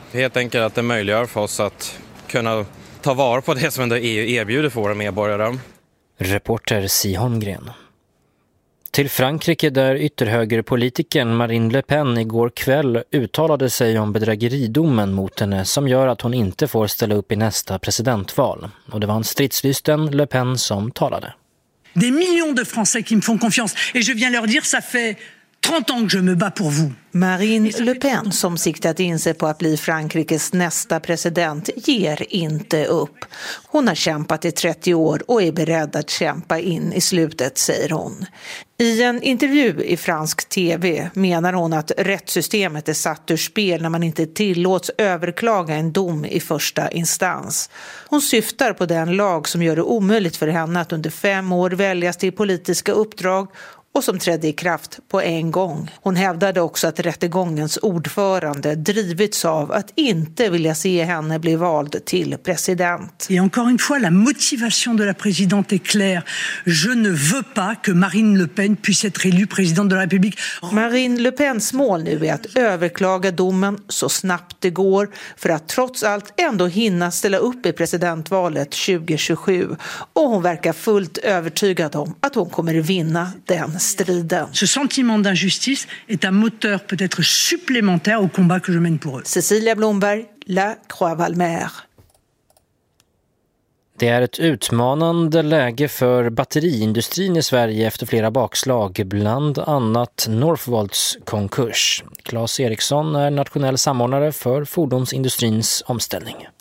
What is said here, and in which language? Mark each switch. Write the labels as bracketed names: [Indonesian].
[Swedish] Helt enkelt att det möjliggör för oss att kunna ta vara på det som EU erbjuder för våra medborgare. Reporter Siholmgren. Till Frankrike där ytterhögerpolitiken Marine Le Pen igår kväll uttalade sig om bedrägeridomen mot henne som gör att hon inte får ställa upp i nästa presidentval. Och det var en stridslysten Le Pen som talade. [French] Des millions de français qui me font confiance et je viens leur dire ça fait 30 ans que je me bats pour vous. [Swedish] Marine Le Pen, som siktat in sig på att bli Frankrikes nästa president, ger inte upp. Hon har kämpat i 30 år och är beredd att kämpa in i slutet, säger hon. I en intervju i fransk TV menar hon att rättssystemet är satt ur spel när man inte tillåts överklaga en dom i första instans. Hon syftar på den lag som gör det omöjligt för henne att under 5 år väljas till politiska uppdrag och som trädde i kraft på en gång. Hon hävdade också att rättegångens ordförande drivits av att inte vilja se henne bli vald till president. [French] Et encore une fois, la motivation de la présidente est claire. Je ne veux pas que Marine Le Pen puisse être élue présidente de la République. [Swedish] Marine Le Pens mål nu är att överklaga domen så snabbt det går för att trots allt ändå hinna ställa upp i presidentvalet 2027. Och hon verkar fullt övertygad om att hon kommer vinna den. [French] Ce sentiment d'injustice est un moteur peut-être supplémentaire au combat que je mène pour eux. [Swedish] Cecilia Blomberg, La Croix-Valmer. Det är ett utmanande läge för batteriindustrin i Sverige efter flera bakslag, bland annat Northvolts konkurs. Claes Eriksson är nationell samordnare för fordonsindustrins omställning.